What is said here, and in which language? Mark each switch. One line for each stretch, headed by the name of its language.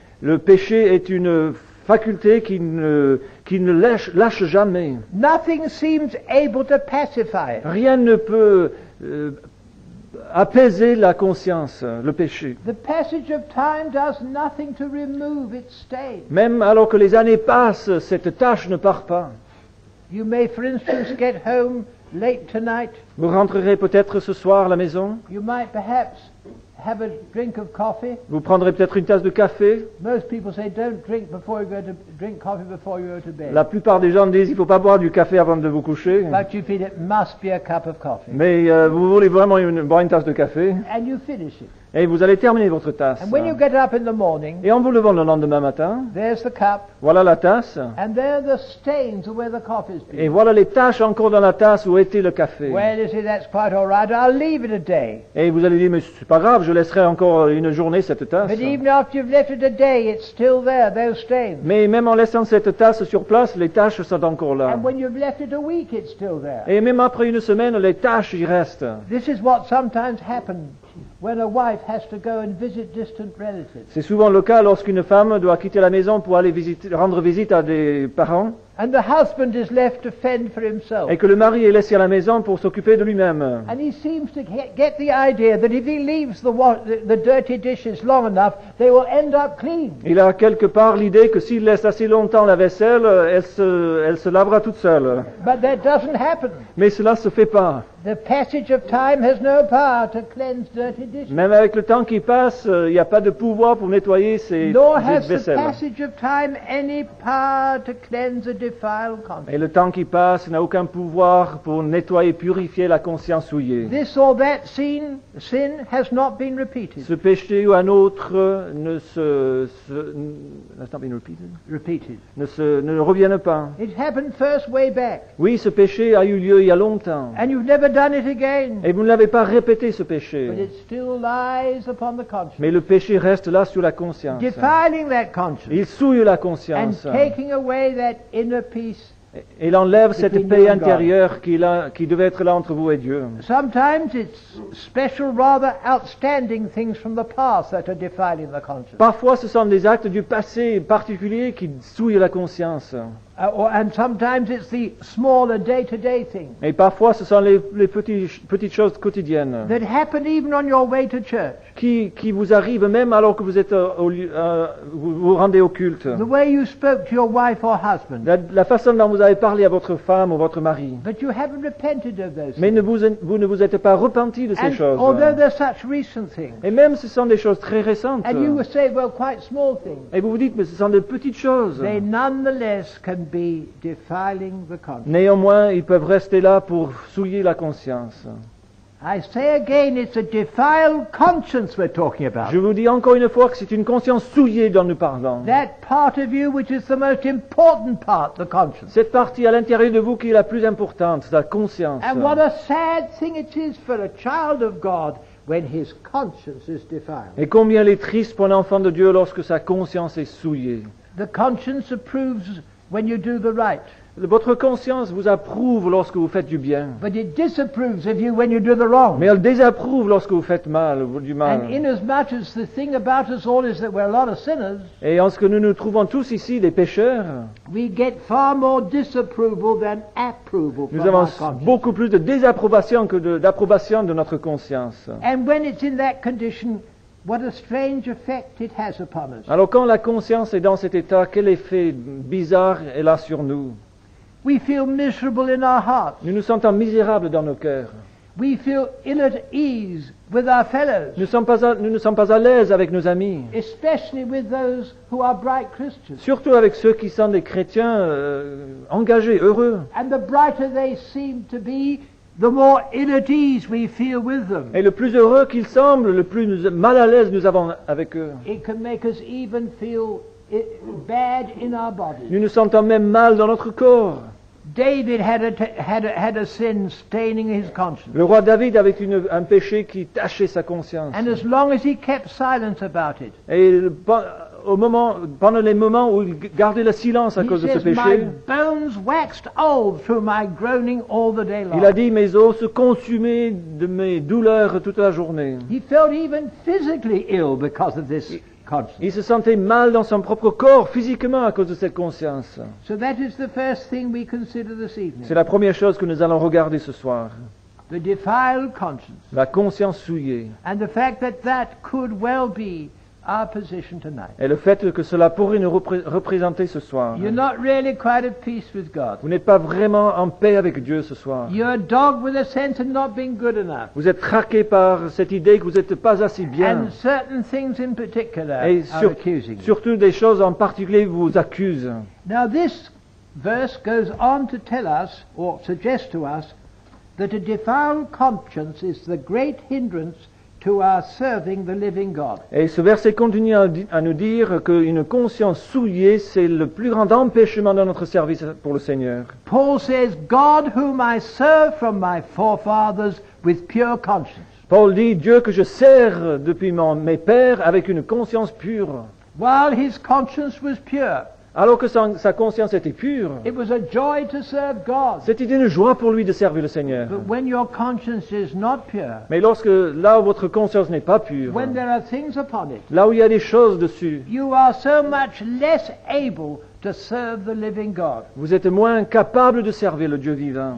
French: Le péché est une faculté qui ne lâche jamais.
English: Nothing seems able to pacify it.
French: Rien ne peut apaiser la conscience, le péché.
English: The passage of time does nothing to remove its stain.
French: Même alors que les années passent, cette tache ne part pas.
English: You may, for instance, get home late tonight.
French: Vous rentrerez peut-être ce soir à la maison.
English: You might perhaps have a drink of coffee.
French: Vous prendrez peut-être une tasse de café.
English: Most people say don't drink before you go to drink coffee before you go to bed.
French: La plupart des gens disent il faut pas boire du café avant de vous coucher.
English: But you feel it must be a cup of coffee.
French: Mais vous voulez vraiment boire une tasse de café.
English: And you finish it.
French: Et vous allez terminer votre tasse.
English: And when you get up in the morning,
French: et en vous levant le lendemain matin,
English: there's the cup,
French: voilà la tasse.
English: And there are the stains of where the coffee's been.
French: Et voilà les taches encore dans la tasse où était le café.
English: Well, you see, that's quite all right. I'll leave it a day.
French: Et vous allez dire, mais ce n'est pas grave, je laisserai encore une journée cette tasse.
English: But even after you've left it a day, it's still there, those stains.
French: Mais même en laissant cette tasse sur place, les taches sont encore là.
English: And when you've left it a week, it's still there.
French: Et même après une semaine, les taches y restent.
English: This is what sometimes happens. When a wife has to go and visit distant relatives.
French: C'est souvent le cas lorsqu'une femme doit quitter la maison pour aller rendre visite à des parents.
English: And the husband is left to fend for himself.
French: Et que le mari est laissé à la maison pour s'occuper de lui-même.
English: And he seems to get the idea that if he leaves the dirty dishes long enough, they will end up clean.
French: Il a quelque part l'idée que s'il laisse assez longtemps la vaisselle, elle se lavera toute seule.
English: But that doesn't happen.
French: Mais cela se fait pas.
English: The passage of time has no power to cleanse dirty dishes.
French: Même avec le temps qui passe, il n'y a pas de pouvoir pour nettoyer ces vaisselles.
English: Nor has the passage of time any power to cleanse a defiled conscience.
French: Et le temps qui passe n'a aucun pouvoir pour nettoyer, purifier la conscience souillée.
English: This or that sin has not been repeated.
French: Ce péché ou un autre ne revient pas.
English: It happened first way back.
French: Oui, ce péché a eu lieu il y a longtemps.
English: And you've never done it again.
French: Et vous ne l'avez pas répété ce péché.
English: But it still lies upon the conscience.
French: Mais le péché reste là sur la conscience.
English: Defiling that conscience.
French: Il souille la conscience.
English: And taking away that inner peace.
French: Il enlève cette paix intérieure qui devait être là entre vous et Dieu.
English: Sometimes it's special, rather outstanding things from the past that are defiling the conscience.
French: Parfois, ce sont des actes du passé particuliers qui souillent la conscience.
English: And sometimes it's the smaller day-to-day things.
French: Et parfois, ce sont les petites choses quotidiennes.
English: That happen even on your way to church.
French: Qui vous arrive même alors que vous êtes vous rendez au culte.
English: The way you spoke to your wife or husband.
French: La façon dont vous avez parlé à votre femme ou votre mari.
English: But you haven't repented of those.
French: Mais vous ne vous êtes pas repenti de ces choses.
English: Although they're such recent things.
French: Et même ce sont des choses très récentes.
English: And you would say, well, quite small things.
French: Et vous vous dites, mais ce sont des petites choses.
English: They nonetheless can be defiling the conscience.
French: Néanmoins, ils peuvent rester là pour souiller la conscience.
English: I say again, it's a defiled conscience we're talking about.
French: Je vous dis encore une fois que c'est une conscience souillée dont nous parlons.
English: That part of you which is the most important part, the conscience.
French: Cette partie à l'intérieur de vous qui est la plus importante, la conscience.
English: And what a sad thing it is for a child of God when his conscience is defiled.
French: Et combien il est triste pour un enfant de Dieu lorsque sa conscience est souillée.
English: The conscience approves when you do the right.
French: Votre conscience vous approuve lorsque vous faites du bien.
English: But it disapproves of you when you do the wrong.
French: Mais elle désapprouve lorsque vous faites mal ou du mal.
English: And inasmuch as the thing about us all is that we're a lot of sinners.
French: Et en ce que nous nous trouvons tous ici des pécheurs.
English: We get far more disapproval than approval.
French: Nous avons beaucoup plus de désapprobation que d'approbation de notre conscience.
English: And when it's in that condition, what a strange effect it has upon us.
French: Alors quand la conscience est dans cet état, quel effet bizarre elle a sur nous?
English: We feel miserable in our hearts.
French: Nous nous sentons misérables dans nos cœurs.
English: We feel ill at ease with our fellows.
French: Nous ne sommes pas à l'aise avec nos amis.
English: Especially with those who are bright Christians.
French: Surtout avec ceux qui sont des chrétiens engagés, heureux.
English: And the brighter they seem to be, the more ill at ease we feel with them.
French: Et le plus heureux qu'ils semblent, le plus mal à l'aise nous avons avec eux.
English: It can make us even feel bad in our bodies.
French: Nous nous sentons même mal dans notre corps.
English: David had a sin staining his conscience.
French: Le roi David avait un péché qui tachait sa conscience.
English: And as long as he kept silence about it.
French: Et pendant les moments où il gardait le silence à cause de ce péché,
English: my bones waxed old through my groaning all the day long.
French: Il a dit, mes os se consumaient de mes douleurs toute la journée.
English: He felt even physically ill because of this.
French: Il se sentait mal dans son propre corps, physiquement, à cause de cette conscience.
English: So that is the first thing we consider this evening.
French: C'est la première chose que nous allons regarder ce soir.
English: The defiled conscience.
French: La conscience souillée.
English: And the fact that that could well be our position tonight.
French: Et le fait que cela pourrait nous représenter ce soir.
English: You're not really quite at peace with God.
French: Vous n'êtes pas vraiment en paix avec Dieu ce soir.
English: You're dogged with a sense of not being good enough.
French: Vous êtes traqué par cette idée que vous n'êtes pas assez bien.
English: And certain things in particular are accusing.
French: Surtout des choses en particulier vous accusent.
English: Now this verse goes on to tell us or suggest to us that a defiled conscience is the great hindrance to our serving the living God.
French: Et ce verset continue à nous dire qu'une conscience souillée, c'est le plus grand empêchement de notre service pour le Seigneur.
English: Paul says, God whom I serve from my forefathers with pure conscience.
French: Paul dit, Dieu que je sers depuis mes pères avec une conscience pure.
English: While his conscience was pure.
French: Alors que sa conscience était pure.
English: It was a joy to serve God.
French: C'était une joie pour lui de servir le Seigneur.
English: But when your conscience is not pure,
French: mais lorsque là où votre conscience n'est pas pure,
English: when there are things upon it,
French: là où il y a des choses dessus,
English: you are so much less able to serve the living God.
French: Vous êtes moins capable de servir le Dieu vivant.